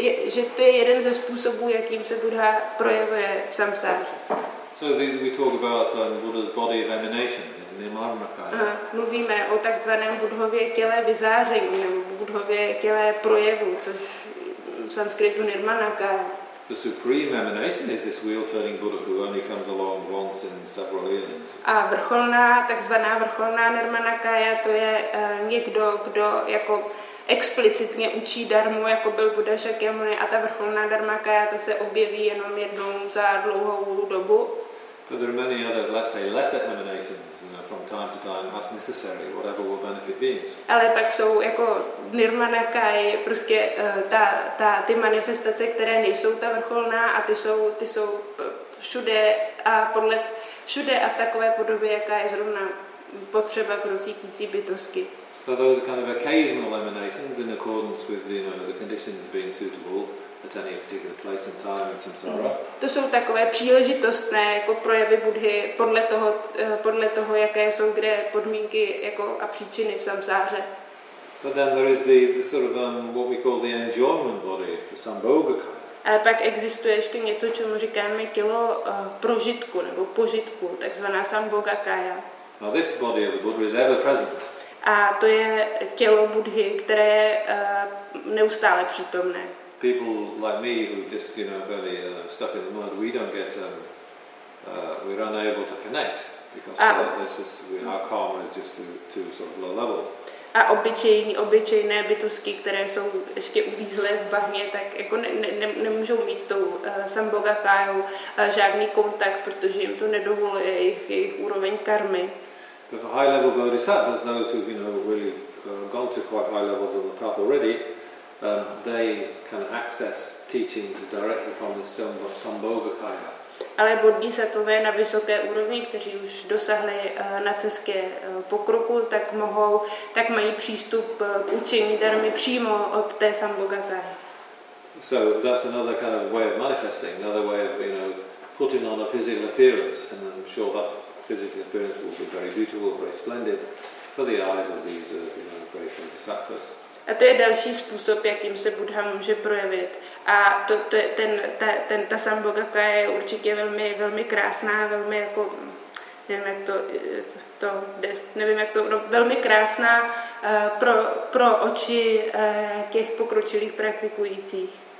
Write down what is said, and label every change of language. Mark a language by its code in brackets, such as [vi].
[cs] Že to je jeden ze způsobů, jakým se Buddha projevuje v samsáře. [en] So these we talk about Buddha's body of emanation, is in the Amaranakaya. [cs] Mluvíme o takzvaném Buddhově těle vyzáření, nebo Buddhově těle projevu, což v sanskritu Nirmanakaya. [en] The supreme emanation is this wheel-turning Buddha who only comes along once in several eons. [cs] A vrcholná, takzvaná vrcholná Nirmanakaya, to je někdo, kdo jako explicitně učí darmu, jako byl Buddha Shakyamuni, a ta vrcholná Dharmakaya, to se objeví jenom jednou za dlouhou dobu. [en] But there are many other, let's say, lesser emanations, you know, from time to time, as necessary, whatever will benefit beings. [cs] Ale pak jsou jako Nirmanakaya, prostě ty manifestace, které nejsou ta vrcholná, a ty jsou všude a v takové podobě, jaká je zrovna potřeba pro cítící bytosti. [en] So those are kind of occasional emanations in accordance with, you know, the conditions being suitable at any particular place and time in samsara. [cs] To jsou takové příležitostné jako projevy Buddhy podle toho, jaké jsou kde podmínky jako a příčiny v samsáře. [en] But then there is the sort of what we call the enjoyment body, the sambhogaka. [cs] A pak existuje ještě něco, čemu říkáme tělo prožitku nebo požitku, takzvaná sambhogakaya. [en] Now this body of the Buddha is ever present. [cs] A to je tělo Buddhy, které je neustále přítomné. [en] People like me who just, you know, really stuck in the mud, we don't get we're unable to connect because our karma is just too sort of low level. [cs] A obyčejné bytosti, které jsou ještě uvízlé v bahně, tak jako nemůžou mít s tou sambhogakájou žádný kontakt, protože jim to nedovoluje jejich úroveň karmy. [en] But the high level bodhisattvas, those who've, you know, really gone to quite high levels of the path already, they can access teachings directly from this sambhogakaya. [cs] Ale bodhisattvové na vysoké úrovni, kteří už dosahli na cestě pokroku, tak mají přístup k učení darmy přímo od té sambhogakaya. [en] So that's another kind of way of manifesting, another way of, you know, putting on a physical appearance, and I'm sure that physical appearance will be very beautiful, very splendid for the eyes of these very famous bodhisattvas. [cs] A to je další způsob, jakým se Buddha může projevit. A ta sambhogaka je určitě velmi, velmi krásná, velmi jako, nevím, jak to jde, nevím, jak to, no, velmi krásná pro oči těch pokročilých praktikujících.